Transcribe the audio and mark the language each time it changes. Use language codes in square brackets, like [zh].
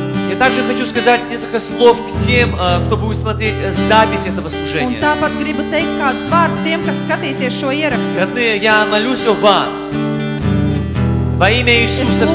[ru] Я также хочу сказать несколько слов к тем, кто будет смотреть запись этого служения. [lv] Un tāpat gribu teikt kāds vārds tiem, kas skatīsies šo ierakstu. [ru] Родные, я молюсь о вас во имя Иисуса Христа.